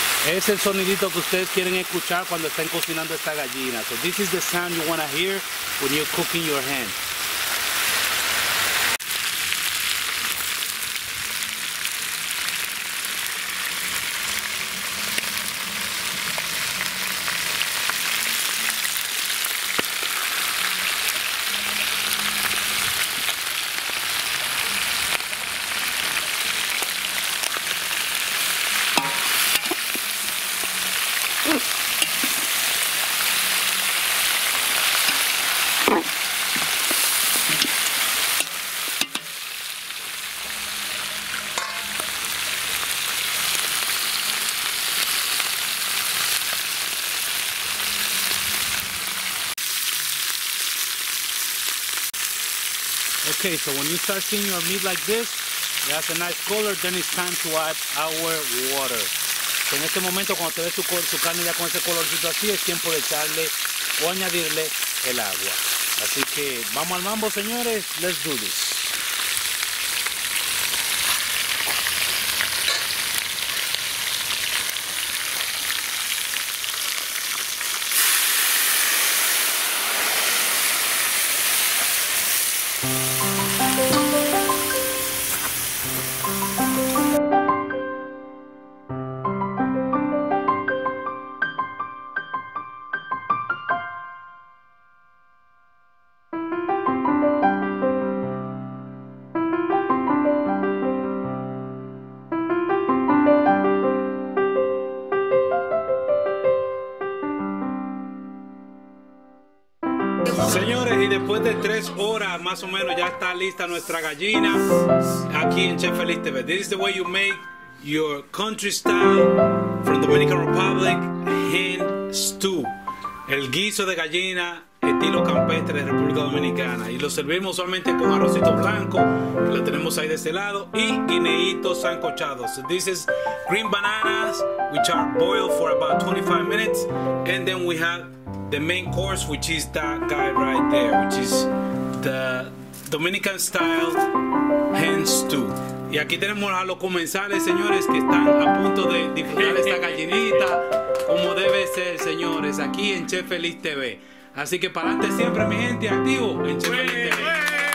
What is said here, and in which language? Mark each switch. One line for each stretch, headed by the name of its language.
Spanish: Es el sonidito que ustedes quieren escuchar cuando estén cocinando esta gallina.
English: So this is the sound you want to hear when you're cooking your hen. Okay, so when you start seeing your meat like this, it has a nice color, then it's time to add our water. So
Spanish: en este momento, cuando te ves su carne ya con ese colorcito así, es tiempo de echarle o añadirle el agua. Así que vamos al mambo, señores.
English: Let's do this.
Spanish: Señores, y después de 3 horas más o menos ya está lista nuestra gallina aquí en Chef Feliz TV.
English: This is the way you make your country style from the Dominican Republic hen stew.
Spanish: El guiso de gallina estilo campestre de República Dominicana. Y lo servimos solamente con arrocito blanco, que lo tenemos ahí de este lado, y guineitos sancochados.
English: This is green bananas, which are boiled for about 25 minutes, and then we have the main course, which is that guy right there, which is the Dominican style hen stew.
Spanish: Y aquí tenemos a los comensales, señores, que están a punto de disfrutar esta gallinita, como debe ser, señores, aquí en Chef Feliz TV. Así que para adelante siempre, mi gente, activo en Chef Feliz TV.